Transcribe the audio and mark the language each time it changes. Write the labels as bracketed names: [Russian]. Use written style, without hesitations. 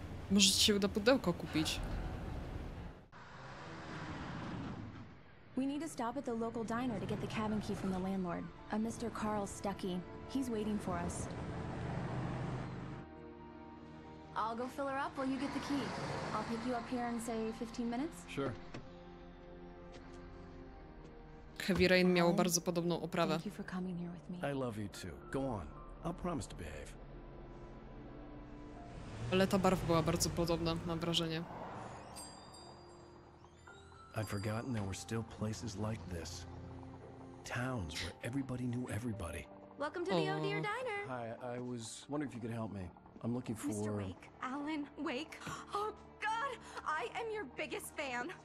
[Polish] Może ci się uda pudełko kupić. [English] We need to stop at the local diner to get the cabin key from the landlord, a Mr. Carl Stuckey. He's waiting for us. I'll go fill her up while you get the key. I'll pick you up here in say 15 minutes. Sure. [Polish] Heavy Rain miało bardzo podobną oprawę. [English] Thank you for coming here with me. I love you too. Go on. I'll promise to behave. [Polish] Ale ta barwa była bardzo podobna, mam wrażenie. [English] I'd forgotten there were still places like this. Towns where everybody knew everybody. Welcome to the Odeer Diner. Hi, I was wondering if you could help me. I'm looking for... Mr. Wake. Alan Wake. Oh, God! I am your biggest fan.